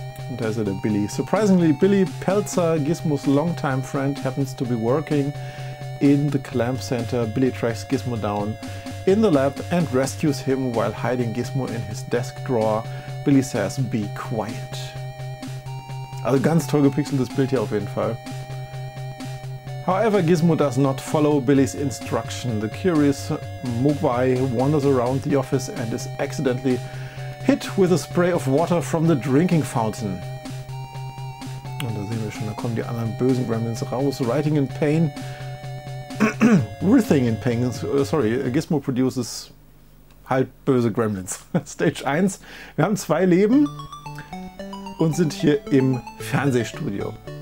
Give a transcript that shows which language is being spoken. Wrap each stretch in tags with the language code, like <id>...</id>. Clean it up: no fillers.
<de>Und da ist er, der Billy.</de> <en>Surprisingly, Billy Pelzer, Gizmos longtime friend, happens to be working in the Climb Center. Billy tracks Gizmo down in the lab and rescues him while hiding Gizmo in his desk drawer. Billy says, be quiet.</en> <de>Also ganz toll gepixeltes Bild hier auf jeden Fall.</de> <en>However, Gizmo does not follow Billy's instruction. The curious Mogwai wanders around the office and is accidentally hit with a spray of water from the drinking fountain.</en> <de>Und da sehen wir schon, da kommen die anderen bösen Gremlins raus.</de> <en>Writing in pain. Writhing in pain. Sorry, Gizmo produces</en> <de>halb böse</de> <en>Gremlins. Stage 1.</en> <de>Wir haben zwei Leben und sind hier im Fernsehstudio.</de>